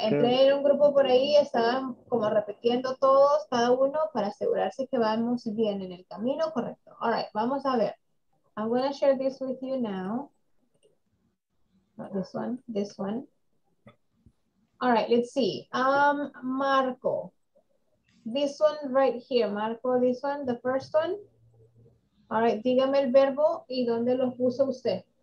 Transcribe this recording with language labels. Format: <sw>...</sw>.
<es>Entré en un grupo por ahí, estaba como repitiendo todos, cada uno, para asegurarse que vamos bien en el camino correcto. All right, vamos a ver.</es> <en>I'm going to share this with you now. Not this one. All right, let's see. Marco. This one right here, Marco, this one, the first one.</en> <es>All right, dígame el verbo y dónde lo puso usted.</es>